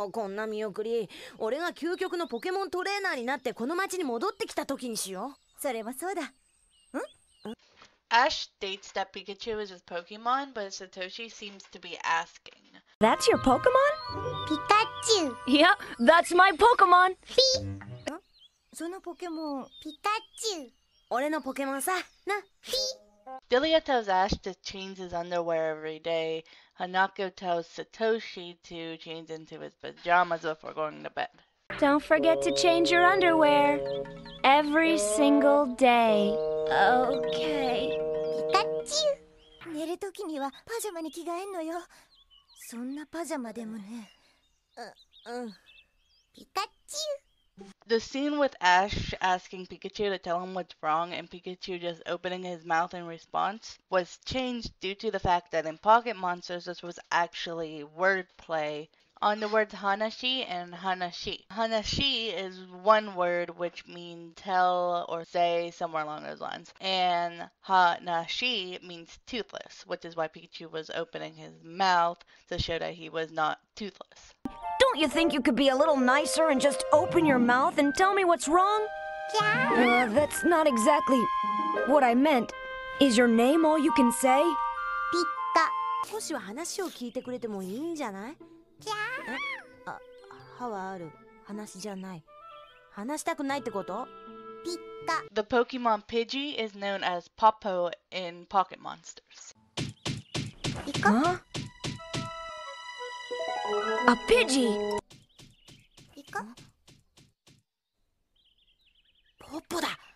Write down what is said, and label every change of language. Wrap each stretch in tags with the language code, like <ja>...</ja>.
<ja>ほら、靴にジーンズ、シャツにパンツに、食べ物は防災用にうちにあったインスタント食品を詰め込んでおいたからね。炊事用にゴム手袋、洗濯物を乾かす紐もあるからね。もういいよ、ゲサゲサだよ。こんな見送り、俺が究極のポケモントレーナーになってこの街に戻ってきた時にしよう。それもそうだ。ん?</ja> <en>Ash states that Pikachu is his Pokemon, but Satoshi seems to be asking. That's your Pokemon? Pikachu! Yep, that's my Pokemon!</en> <ja>その Pokemon, Pikachu! 俺の Pokemon さ、な!</ja> <en>Delia tells Ash to change his underwear every day. Hanako tells Satoshi to change into his pajamas before going to bed. Don't forget to change your underwear every single day. Okay. Pikachu!</en> <ja>寝るときにはパジャマに着替えんのよ。そんなパジャマでもね。 Pikachu!</ja> <en>The scene with Ash asking Pikachu to tell him what's wrong and Pikachu just opening his mouth in response was changed due to the fact that in Pocket Monsters this was actually wordplay on the words Hanashi and Hanashi. Hanashi is one word which means tell or say somewhere along those lines. And Hanashi means toothless, which is why Pikachu was opening his mouth to show that he was not toothless. Don't you think you could be a little nicer and just open your mouth and tell me what's wrong? Yeah. That's not exactly what I meant. Is your name all you can say? Pika.</en> <ja>少しは話を聞いてくれてもいいんじゃない?</ja> <en>Yeah.</en> <ja>歯はある。話じゃない。話したくないってこと? Pika.</ja> <en>The Pokemon Pidgey is known as Popo in Pocket Monsters. Pika? Huh? A Pidgey! Pika?</en> <ja>Popo da!</ja>